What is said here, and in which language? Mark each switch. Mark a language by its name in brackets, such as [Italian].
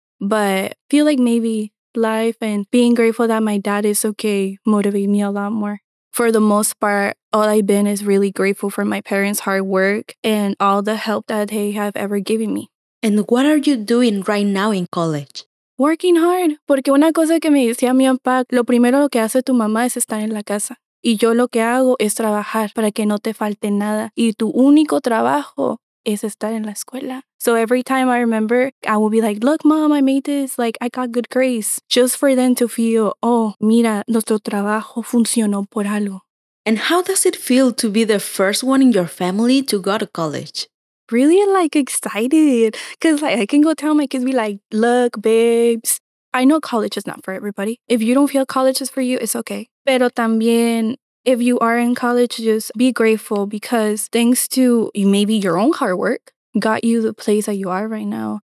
[English] But I feel like maybe life and being grateful that my dad is okay motivate me a lot more. For the most part, all I've been is really grateful for my parents' hard work and all the help that they have ever given me. And what are you doing right now in college? Working hard. [Spanish] Porque una cosa que me decía mi papá, lo primero lo que hace tu mamá es estar en la casa. Y yo lo que hago es trabajar para que no te falte nada. Y tu único trabajo es estar en la escuela. [English] So every time I remember, I will be like, look, mom, I made this. Like, I got good grades. Just for them to feel, oh, [Spanish] mira, nuestro trabajo funcionó por algo. [English] And how does it feel to be the first one in your family to go to college? Really, like, excited. Because, like, I can go tell my kids, be like, look, babes. I know college is not for everybody. If you don't feel college is for you, it's okay. [Spanish] Pero también, [English] if you are in college, just be grateful because thanks to maybe your own hard work got you the place that you are right now.